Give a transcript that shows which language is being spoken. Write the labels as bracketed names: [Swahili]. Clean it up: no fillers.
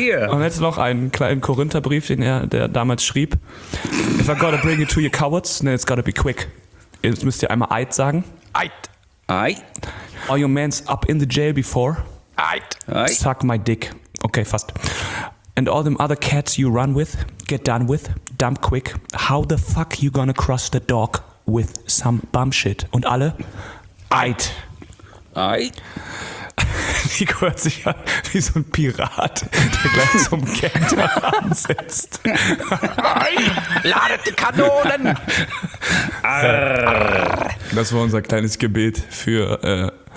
[German] Und jetzt noch einen kleinen Korintherbrief, der damals schrieb. [English] If I gotta bring it to you cowards, then it's gotta be quick. [German] Jetzt müsst ihr einmal Eid sagen. Eid. [English] All your mans up in the jail before. [German] Eid. [English] Suck my dick. Okay, fast. And all them other cats you run with, get done with, dump quick. How the fuck you gonna cross the dock with some bum shit? [German] Und alle? Eid. Eid. Nico hört sich an wie so ein Pirat, der gleich zum Kenter ansetzt. Ladet die Kanonen! Arr. Das war unser kleines Gebet für